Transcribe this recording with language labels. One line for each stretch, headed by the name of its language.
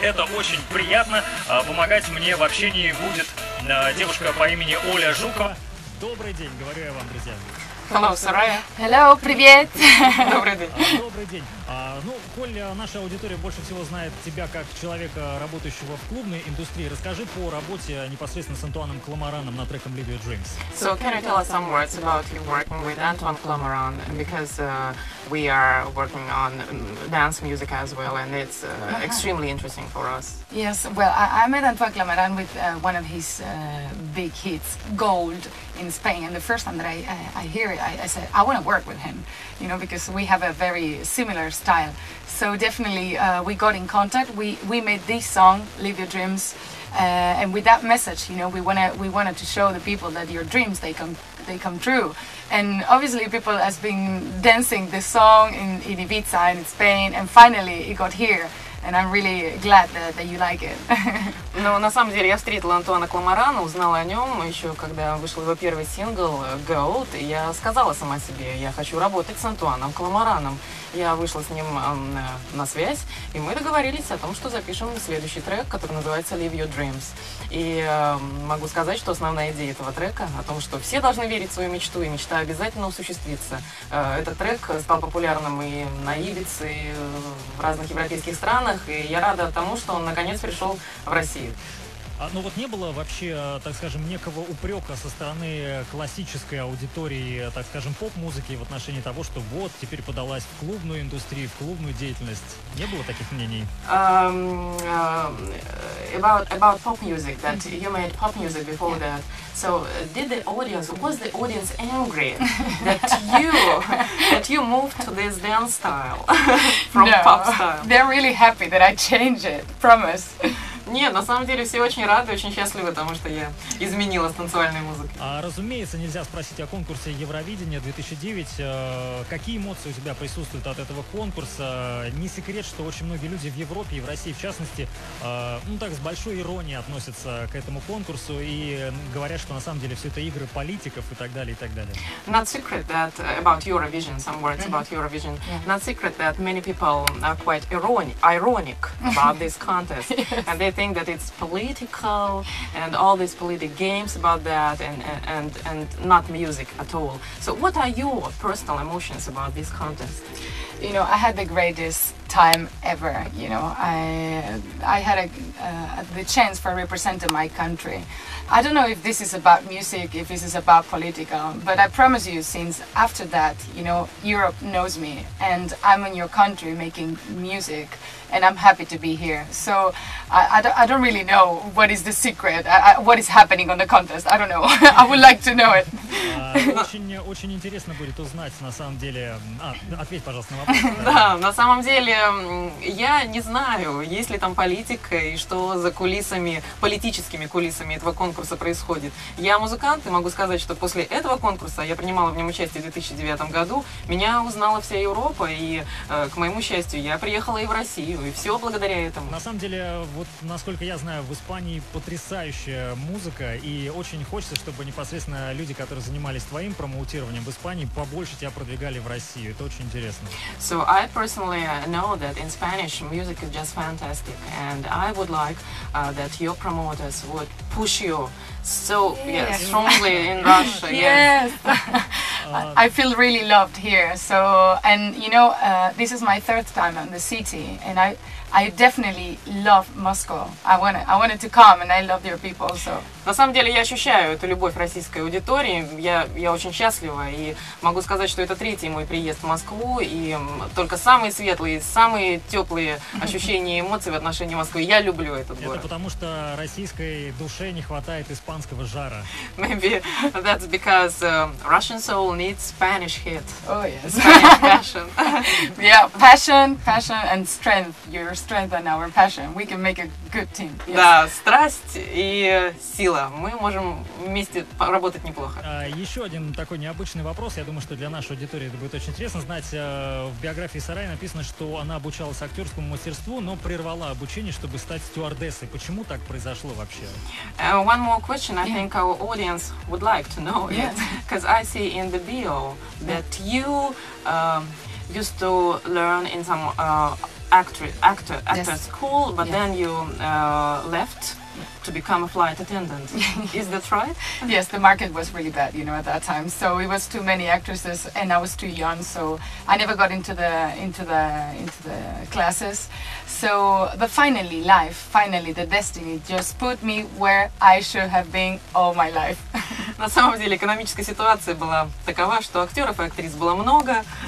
Russian: Это очень приятно. Помогать мне в общении будет девушка по имени Оля Жукова. Добрый день, говорю я вам, друзья.
English: Hello, Сарае. Hello,
Russian: привет. Добрый день. Добрый день. Ну, Коль, наша аудитория больше всего знает тебя как человека, работающего в клубной индустрии. Расскажи по работе непосредственно с Антуаном Кламараном над треком «Live Your Dreams».
English: So, can you tell us some words about you working with Antoine Кламаран? Because we are working on dance music as well, and it's extremely interesting for us. Yes, well, I met Antoine Кламаран with one of his big hits, Gold, in Spain. And the first time that I hear it, I said, I want to work with him, you know, because we have a very similar style. So definitely we got in contact, we made this song, Live Your Dreams, and with that message, you know, we wanted to show the people that your dreams, they come true. And obviously people has been dancing this song in Ibiza and in Spain, and finally it got here. And I'm really glad that you like it.
Russian: Ну, на самом деле, я встретила Антуана Кламарана, узнала о нем еще, когда вышел его первый сингл «Gold», и я сказала сама себе, я хочу работать с Антуаном Кламараном. Я вышла с ним на связь, и мы договорились о том, что запишем следующий трек, который называется «Live Your Dreams». И могу сказать, что основная идея этого трека о том, что все должны верить в свою мечту, и мечта обязательно осуществится. Этот трек стал популярным и на Ибице, и в разных европейских странах, и я рада тому, что он наконец пришел в Россию. А, ну вот не было вообще, так скажем, некого упрека со стороны классической аудитории, так скажем, поп-музыки в отношении того, что вот теперь подалась в клубную индустрию, в клубную деятельность? Не было таких мнений?
English: About pop music, that you made pop music before, yeah. That. So did the audience, was the audience angry that you moved to this dance style from no, pop style? They're really happy that I changed it, promise.
Russian: Нет, на самом деле все очень рады, очень счастливы, потому что я изменила с танцевальной музыкой. А, разумеется, нельзя спросить о конкурсе Евровидения 2009. Какие эмоции у тебя присутствуют от этого конкурса? Не секрет, что очень многие люди в Европе и в России, в частности, так с большой иронией относятся к этому конкурсу и говорят, что на самом деле все это игры политиков и так далее, и так далее.
English: Not secret that about Eurovision, some words about Eurovision. Yeah. Not secret that many people are quite ironic about this contest. Yes. They think that it's political and all these political games about that and not music at all. So what are your personal emotions about this contest? You know, I had the greatest time ever, you know. I had the chance for representing my country. I don't know if this is about music, if this is about political, but I promise you, since after that, you know, Europe knows me and I'm in your country making music. And I'm happy to be here. So I don't really know what is the secret, what is happening on the contest. I don't know. I would like to know it.
Russian: Очень интересно будет узнать, на самом деле. Ответь, пожалуйста, на вопрос. Да, на самом деле, я не знаю, есть ли там политика и что за кулисами, политическими кулисами этого конкурса происходит. Я музыкант и могу сказать, что после этого конкурса, я принимала в нем участие в 2009 году, меня узнала вся Европа, и, к моему счастью, я приехала и в Россию, и все благодаря этому. На самом деле, вот насколько я знаю, в Испании потрясающая музыка, и очень хочется, чтобы непосредственно люди, которые занимались твоим промоутированием в Испании, побольше тебя продвигали в Россию. Это очень интересно.
English: So I personally know that in Spanish music is just fantastic, and I would like that your promoters would push you so yes, strongly in Russia. Yes. I feel really loved here. So, and you know, this is my third time in the city, and I definitely love Moscow. I wanted to come and I love your people so.
Russian: На самом деле, я ощущаю эту любовь российской аудитории. Я очень счастлива и могу сказать, что это третий мой приезд в Москву, и только самые светлые, самые тёплые ощущения и эмоции в отношении Москвы. Я люблю этот город. Это потому что российской душе не хватает испанского жара.
English: Maybe that's because Russian soul needs Spanish heat. Oh yes. Spanish passion. Yeah, passion and strength. Your strength and our passion. We can make a good team. Yes.
Russian: Да, страсть и сила. Мы можем вместе работать неплохо. Еще один такой необычный вопрос. Я думаю, что для нашей аудитории это будет очень интересно знать. В биографии Сарай написано, что она обучалась актерскому мастерству, но прервала обучение, чтобы стать стюардессой. Почему так произошло вообще?
English: One more question. I think our audience would like to know it. Because I see in the bio that you used to learn in some actor school, but then you left to become a flight attendant. Is that right? Yes, the market was really bad, you know, at that time. So it was too many actresses, and I was too young, so I never got into the classes. So, but finally, life, finally, the destiny just put me where I should have been all my life.
Russian: На самом деле, экономическая ситуация была такова, что актеров и актрис было много.